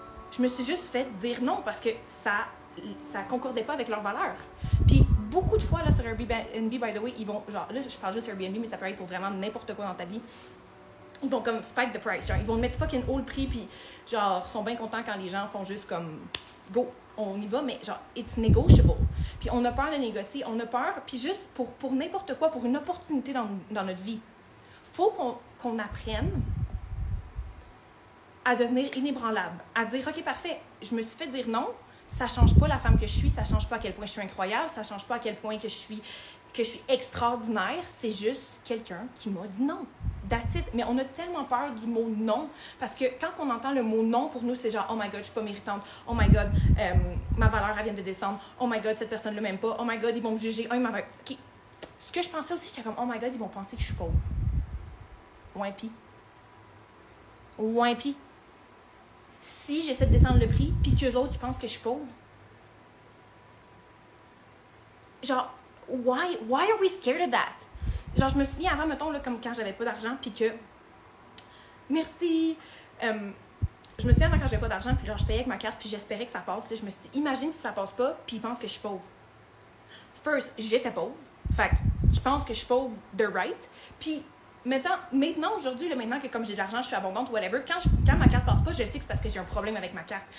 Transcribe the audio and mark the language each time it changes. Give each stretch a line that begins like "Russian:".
French: Je me suis juste fait dire non parce que ça concordait pas avec leurs valeurs. Puis beaucoup de fois là sur Airbnb,
English: by the way,
French: ils vont genre là je parle juste Airbnb mais ça peut être pour vraiment n'importe quoi dans ta vie. Ils vont comme
English: spike the price,
French: genre ils vont mettre fucking haut le prix puis genre sont bien contents quand les gens font juste comme go. On y va, mais genre,
English: it's negotiable.
French: Puis on a peur de négocier, on a peur, puis juste pour n'importe quoi, pour une opportunité dans notre vie, faut qu'on apprenne à devenir inébranlable, à dire, OK, parfait, je me suis fait dire non, ça change pas la femme que je suis, ça change pas à quel point je suis incroyable, ça change pas à quel point que je suis extraordinaire, c'est juste quelqu'un qui m'a dit non.
English: That's it.
French: Mais on a tellement peur du mot non, parce que quand on entend le mot non, pour nous, c'est genre,
English: oh my god,
French: je suis pas méritante, oh my god, ma valeur, elle vient de descendre, oh my god, cette personne-là m'aime pas, oh my god, ils vont me juger, oh, ils m'avaient... Okay. Ce que je pensais aussi, j'étais comme,
English: oh my god,
French: ils vont penser que je suis pauvre. Ouin pis. Si j'essaie de descendre le prix, pis qu'eux autres, ils pensent que je suis pauvre.
English: Genre, why are we scared of that?
French: Genre, je me souviens avant, mettons, là, comme quand j'avais pas d'argent, puis que... Merci! Je me souviens avant quand j'avais pas d'argent, puis genre, je payais avec ma carte, puis j'espérais que ça passe. Je me suis dit, imagine si ça passe pas, puis ils pensent que je suis pauvre. First, j'étais pauvre. Fait qu'ils pensent que je suis pauvre,
English: they're right.
French: Puis maintenant, aujourd'hui, là, maintenant que comme j'ai de l'argent, je suis abondante, whatever, quand ma carte passe pas, je sais que c'est parce que j'ai un problème avec ma carte.